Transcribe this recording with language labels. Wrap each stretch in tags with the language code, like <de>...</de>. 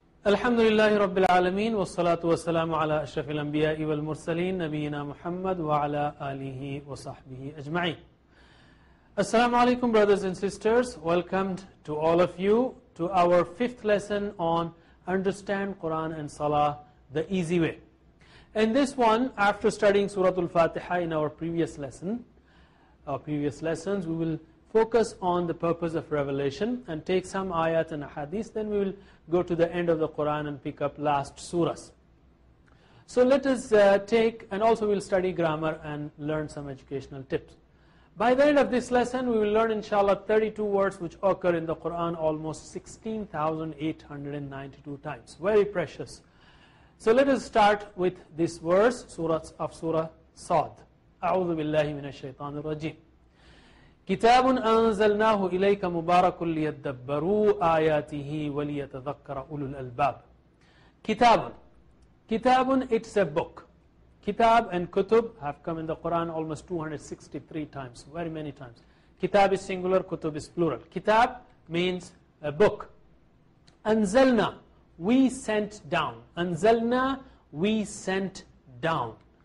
<ar>الحمد لله رب العالمين والصلاة والسلام على أشرف الأنبياء والمرسلين نبينا محمد وعلى آله وصحبه أجمعين. السلام عليكم</ar> <en>brothers and sisters. Welcome to all of you to our fifth lesson on Understand Quran and Salah the Easy Way. In this one, after studying Surah Al-Fatiha in our previous lesson, our previous lessons, we will focus on the purpose of revelation and take some ayat and hadith. Then we will go to the end of the Quran and pick up last surahs. So let us take, and also we will study grammar and learn some educational tips. By the end of this lesson, we will learn inshallah 32 words which occur in the Quran almost 16,892 times. Very precious. So let us start with this verse, surahs of Surah Sad.</en> <ar>أعوذ بالله من الشيطان الرجيم. كتاب أنزلناه إليك مبارك ليدبروا آياته وليتذكر أولو الألباب.</ar> <en>كتاب, كتاب, it's a book. كتاب and كتب have come in the Quran almost 263 times, very many times. كتاب is singular, كتب is plural. كتاب means a book. أنزلنا, we sent down. أنزلنا, we sent down.</en>